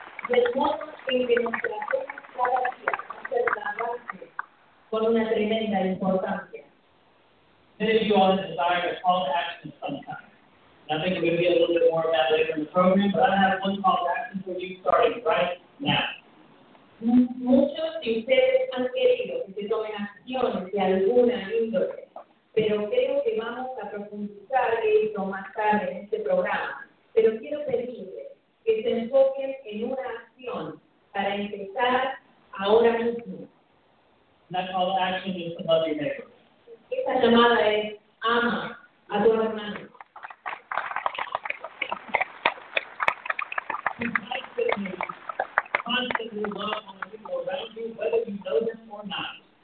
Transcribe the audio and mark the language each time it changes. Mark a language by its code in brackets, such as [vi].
[es] El modo en que nos tratamos cada día va a ser la base. [en] Many of you all have desired a call to action of some kind. And I think we're going to be a little bit more about later in the program, but I have one call to action for you starting right now. [es] Muchos de ustedes han querido que se tomen acciones de alguna índole, pero creo que vamos a profundizar en esto más tarde en este programa. Pero quiero pedirles que se enfoquen en una acción para empezar ahora mismo. [en] That call to action is to love your neighbor. [es] Esta llamada es ama a tu hermano. [en] Constantly love on the people around you, whether you know them or not.